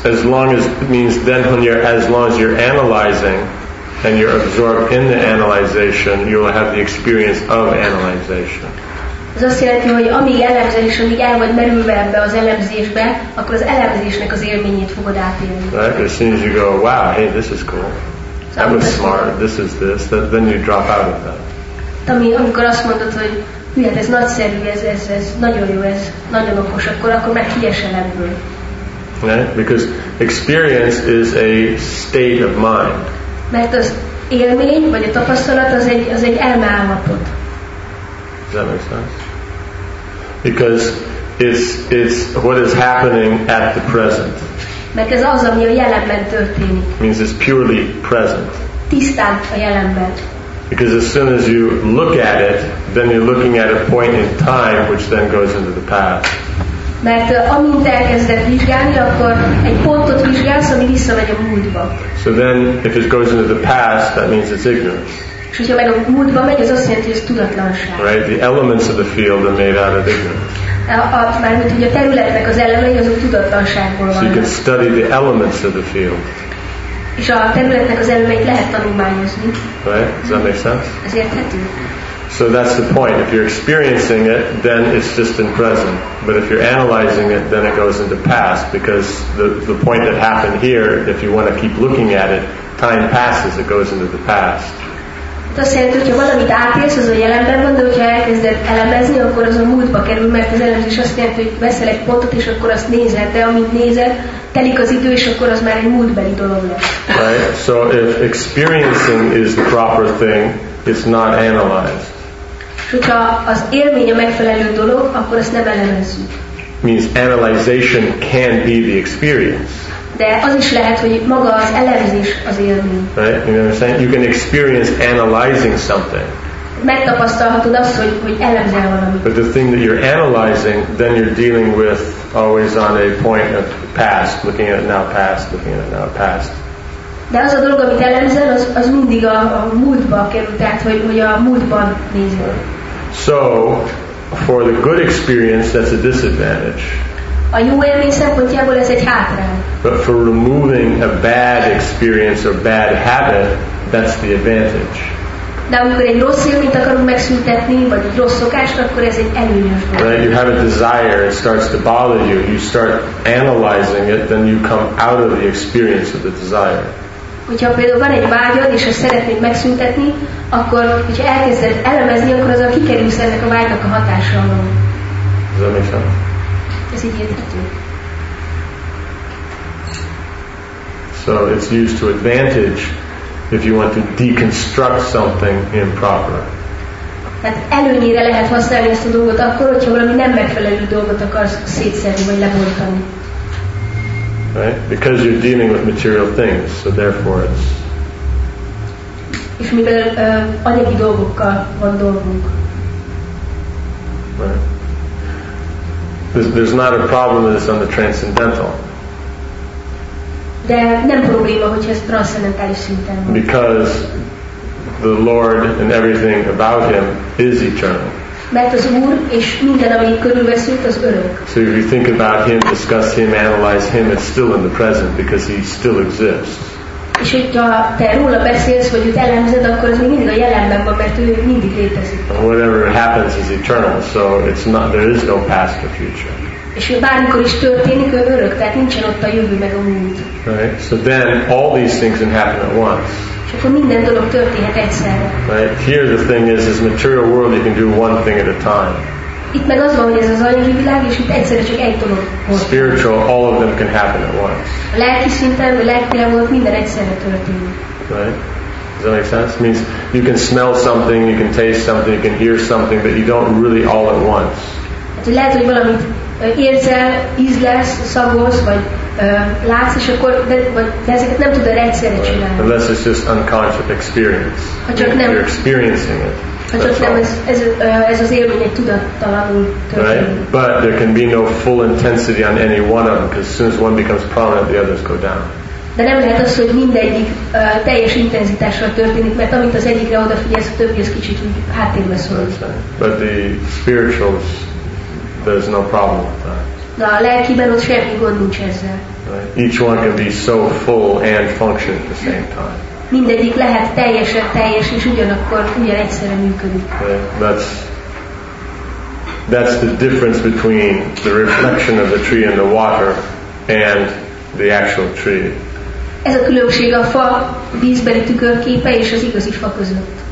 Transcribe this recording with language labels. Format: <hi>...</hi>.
<en>Then as long as you're analyzing and you're absorbed in the analyzation, you will have the experience of analyzation.</en> <hu>Ez azt jelenti, hogy amíg elemzés, amíg el vagy merülve ebbe az elemzésbe, akkor az elemzésnek az élményét fogod átélni.</hu> <en>Right? As soon as you go, wow, hey, this is cool. That was smart. This is this. Then you drop out of that.</en> <hu>Amikor azt mondod, hogy hülyet, ez nagyszerű, ez nagyon jó, ez nagyon okos, akkor már kiesel ebből.</hu> <en>Right? Because experience is a state of mind.</en> <hu>Mert az élmény vagy a tapasztalat az egy elmeállapot.</hu> <en>Does that make sense? Because it's what is happening at the present.</en> <hu>Mert ez az, ami a jelenben történik.</hu> <en>Means it's purely present.</en> <hu>Tisztán a jelenben.</hu> <en>Because as soon as you look at it, then you're looking at a point in time, which then goes into the past.</en> <hu>Mert amint elkezded vizsgálni, akkor egy pontot vizsgálsz, ami visszamegy a múltba.</hu> <en>So then, if it goes into the past, that means it's ignorance.</en> <hu>És hogyha meg a múltba megy, az azt jelenti, hogy ez tudatlanság.</hu> <en>Right? The elements of the field are made out of ignorance.</en> <hu>Mármint ugye a területnek az elemei, azok tudatlanságból vannak.</hu> <en>So you can study the elements of the field.</en> <hu>És a területnek az elemeit lehet tanulmányozni.</hu> <en>Right? Does that make sense?</en> <hu>Ez érthető.</hu> <en>So that's the point. If you're experiencing it, then it's just in present. But if you're analyzing it, then it goes into past, because the point that happened here, if you want to keep looking at it, time passes, it goes into the past.</en> <hu>Azt jelenti, hogyha valamit átélsz, az a jelenben van, de hogyha elkezded elemezni, akkor az a múltba kerül, mert az elemzés azt jelenti, hogy veszel egy pontot, és akkor azt nézed, de amit nézed, telik az idő, és akkor az már egy múltbeli dolog lesz.</hu> <en>Right? So if experiencing is the proper thing, it's not analyzed.</en> <hu>Hogyha az élmény a megfelelő dolog, akkor ezt nem elemezzük.</hu> <en>Means analyzation can be the experience.</en> <hu>De az is lehet, hogy maga az elemzés az élmény.</hu> <en>Right? You understand? You can experience analyzing something.</en> <hu>megtapasztalhatod azt, hogy elemzel valamit.</hu> <en>But the thing that you're analyzing, then you're dealing with always on a point of past, looking at it now past, looking at it now past.</en> <hu>De az a dolog, amit elemzel, az mindig a múltba kerül, tehát hogy a múltban nézel.</hu> <en>So, for the good experience, that's a disadvantage.</en> <hu>A jó élmény szempontjából ez egy hátrány.</hu> <en>But for removing a bad experience or bad habit, that's the advantage.</en> <hu>De amikor egy rossz élményt akarunk megszüntetni, vagy egy rossz szokást, akkor ez egy előnyös dolog.</hu> <en>Right? You have a desire, it starts to bother you. You start analyzing it, then you come out of the experience of the desire.</en> <hu>Hogyha például van egy vágyad, és azt szeretnéd megszüntetni, akkor, hogyha elkezded elemezni, akkor azzal kikerülsz ennek a vágynak a hatása alól. Ez a mission. Ez így érthető.</hu> <en>So it's used to advantage if you want to deconstruct something improper.</en> <hu>Tehát előnyére lehet használni ezt a dolgot akkor, hogyha valami nem megfelelő dolgot akarsz szétszedni vagy lebontani.</hu> <en>Right? Because you're dealing with material things, so therefore it's.</en> <hu>És mivel anyagi dolgokkal van dolgunk.</hu> <en>Right. There's not a problem with this on the transcendental.</en> <hu>De nem probléma, hogyha ez transzcendentális szinten van.</hu> <en>Because the Lord and everything about him is eternal.</en> <hu>Mert az Úr és minden, ami körülveszünk, az örök.</hu> <en>So if you think about him, discuss him, analyze him, it's still in the present because he still exists.</en> <hu>És hogyha te róla beszélsz, vagy őt elemzed, akkor ez még mindig a jelenben van, mert ő mindig létezik.</hu> <en>Whatever happens is eternal, so it's not, there is no past or future.</en> <hu>És bármikor is történik, ő örök, tehát nincsen ott a jövő meg a múlt.</hu> <en>Right? So then all these things can happen at once.</en> <hu>És akkor minden dolog történhet egyszerre.</hu> <en>Right? Here the thing is material world you can do one thing at a time.</en> <hu>Itt meg az van, hogy ez az anyagi világ, és itt egyszerre csak egy dolog.</hu> <en>Spiritual, all of them can happen at once.</en> <hu>A lelki szinten, a lelki világon minden egyszerre történik.</hu> <en>Right? Does that make sense? It means you can smell something, you can taste something, you can hear something, but you don't really all at once.</en> <hu>Hát, hogy lehet, hogy valamit érzel, ízlesz, szagolsz, vagy látsz, és akkor de ezeket nem tudod egyszerre csinálni.</hu> <en>Unless it's just unconscious experience.</en> <hu>Ha csak nem.</hu> <en>You're experiencing it.</en> <hu>Ha csak nem, ez az élmény egy tudattalanul történik.</hu> <en>Right? But there can be no full intensity on any one of them, because as soon as one becomes prominent, the others go down.</en> <hu>De nem lehet az, hogy mindegyik teljes intenzitással történik, mert amit az egyikre odafigyelsz, a többi az kicsit úgy háttérbe szorul.</hu> <en>But the spirituals, there's no problem with that.</en> <hu>De a lelkiben ott semmi gond nincs ezzel.</hu> <en>Right. Each one can be so full and function at the same time.</en> <hu>Mindegyik lehet teljesen teljes és ugyanakkor ugyan egyszerre működik.</hu> <en>Right. That's the difference between the reflection of the tree in the water and the actual tree.</en> <hu>Ez a különbség a fa vízbeli tükörképe és az igazi fa között.</hu>